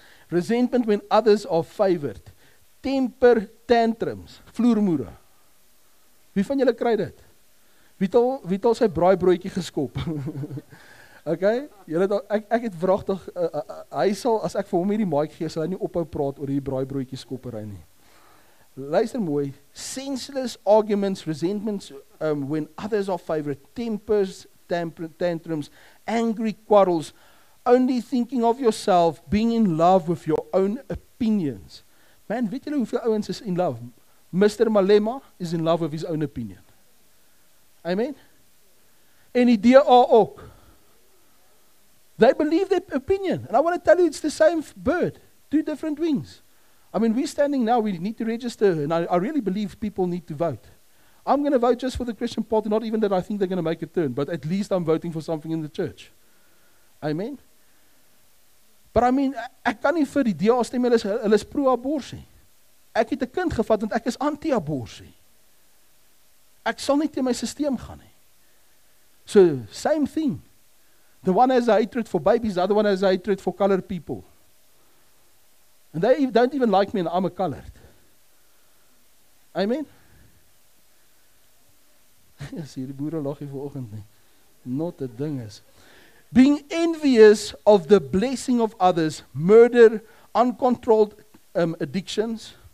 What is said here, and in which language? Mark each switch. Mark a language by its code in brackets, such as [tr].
[en] Resentment when others are favored. Temper tantrums, [af] vloermoere. Wie van julle kry dit? Wie het al sy braaibroodjie geskop? Okay, julle het al, ek het wragtig, hy sal, as ek vir hom hierdie mic gee, sal hy nie ophou praat oor die braaibroodjie skoppery nie. [en] Luister mooi, senseless arguments, resentments, when others are favored, tempers, tantrums, angry quarrels, only thinking of yourself, being in love with your own opinions. Man, [af] weet julle hoeveel ouens [en] is in love? Mr. Malema is in love with his own opinion. Amen? [af] En die DA ook. [en] They believe their opinion. And I want to tell you, it's the same bird. Two different wings. I mean, we're standing now, we need to register. And I really believe people need to vote. I'm going to vote just for the Christian party, not even that I think they're going to make a turn. But at least I'm voting for something in the church. [af] Amen? [en] But I mean, [af] ek kan nie vir die DA stem, hulle is pro-abortie. Ek het 'n kind gevat, want ek is anti-abortie. Ek sal nie teen my systeem gaan nie. [en] So, same thing. The one has a hatred for babies, the other one has a hatred for colored people. And they don't even like me and I'm a colored. Amen? [af] Sê, die boere lag hier vanoggend nie. [en] Not a ding is. Being envious of the blessing of others, murder, uncontrolled addictions.